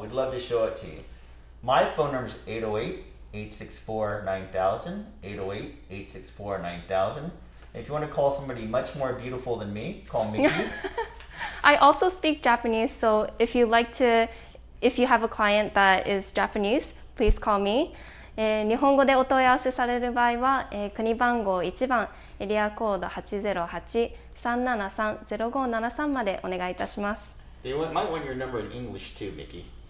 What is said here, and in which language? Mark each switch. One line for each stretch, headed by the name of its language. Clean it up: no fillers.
English: We'd love to show it to you. My phone number is 808-864-9000. 808-864-9000. If you want to call somebody much more beautiful than me, call Mickey. I also speak Japanese, so if you'd like to... If you have a client that is Japanese, please call me.
Japanese: 日本語でお問い合わせされる場合は、国番号1番、エリアコード 808-373-0573 までお願いいたします。
English: They might want your number in English too, Mickey.